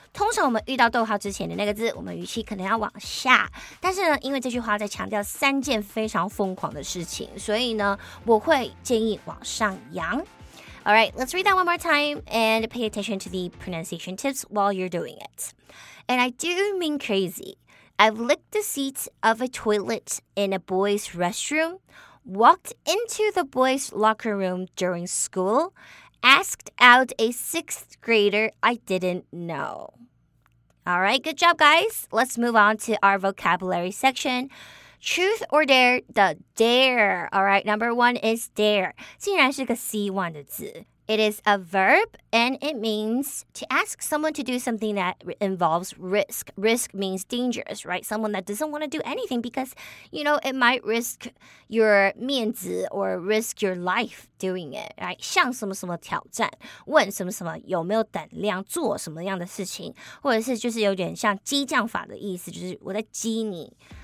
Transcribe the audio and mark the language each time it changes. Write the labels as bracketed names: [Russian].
[Chinese] 通常我们遇到逗号之前的那个字，我们语气可能要往下。但是呢，因为这句话在强调三件非常疯狂的事情，所以呢，我会建议往上扬。 [English] All right, let's read that one more time and pay attention to the pronunciation tips while you're doing it. And I do mean crazy. I've licked the seat of a toilet in a boys' restroom, walked into the boys' locker room during school,asked out a sixth grader I didn't know. All right, good job, guys. Let's move on to our vocabulary section. Truth or dare, the dare. All right, number one is dare. [Chinese] 竟然是个 C1 的字。 [English] It is a verb, and it means to ask someone to do something that involves risk. Risk means dangerous, right? Someone that doesn't want to do anything because, you know, it might risk your 面子 or risk your life doing it, right? [Chinese] 向什么什么挑战，问什么什么有没有胆量做什么样的事情，或者是就是有点像激将法的意思，就是我在激你。